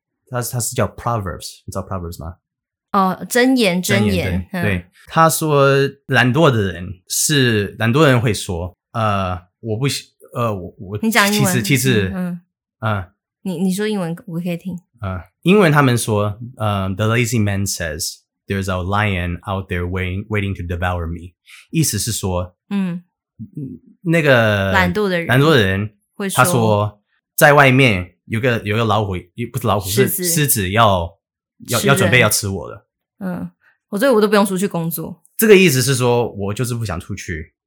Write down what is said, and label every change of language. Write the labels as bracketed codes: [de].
[zh] 他是叫 Proverbs， 你知道 Proverbs 吗？哦，箴言、嗯、对，他说懒惰的人会说我不我你讲英文，其实你说英文我可以听 [en] 英文他们说 The lazy man says there's a lion out there waiting to devour me，意思是说那个 [zh] 懒惰的人会说，他说在外面有个老虎，不是老虎，是狮子要准备要吃我的。嗯，我这我都不用出去工作。这个意思是说我就是不想出去，